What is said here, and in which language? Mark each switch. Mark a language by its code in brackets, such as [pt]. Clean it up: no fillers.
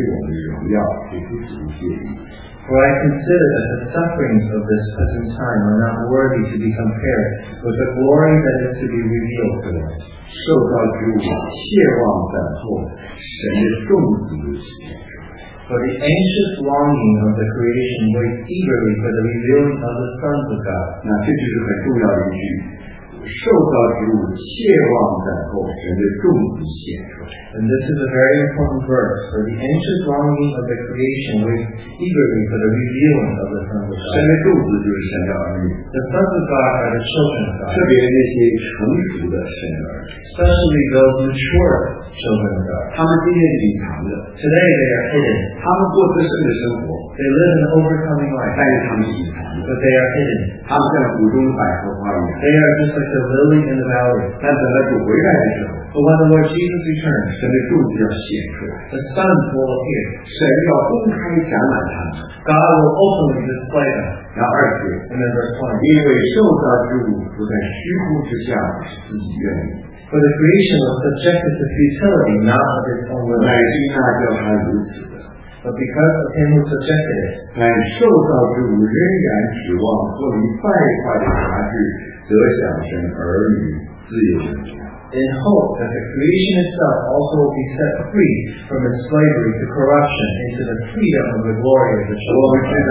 [en] For I consider that the sufferings of this present time are not worthy to be compared with the glory that is to be revealed to us. [zh] 受到逼迫，切望等候神的众子的显现。 [en] For the anxious longing of the creation waits eagerly for the revealing of the sons of God. [zh] 那这就是很重要的一句。受造之物切望等候神的众子显出来。 [en] And this is a very important verse. For the anxious longing of the creation waits eagerly for the revealing of the sons of God. [zh] 神的众子就是神的儿女。 [en] The sons of God are the children of God. [zh] 特别那些成熟的神的儿女。 [en] Especially those mature children of God. [zh] 他们今天隐藏的。 [en] Today they are hidden. [zh] 他们过自身的生活。 [en] They live an overcoming life. [zh] 但是他们隐藏的。 [en] But they are hidden. [zh] 他们在谷中百合花园。 [en] They are just like the lily in the valley. [zh] 但等到主回来的时候。 [en] But when the Lord Jesus returns, [zh] 神的众子要显出来。 [en] The sons will appear. [zh] 神要公开展览他们。 [en] God will openly display them. [zh] 然后二节。 [en] And then verse 20. [zh] 因为受造之物不在虚空之下是自己愿意。 [en] For the creation was subjected to futility, not of its own will. [zh] 乃是他叫他如此的。 [en] But because of him who subjected it. [zh] 乃受造之物仍然指望脱离败坏的辖制，得享神儿女自由的权。 [en] In hope that the creation itself also will be set free from its slavery to corruption into the freedom of the glory of the children.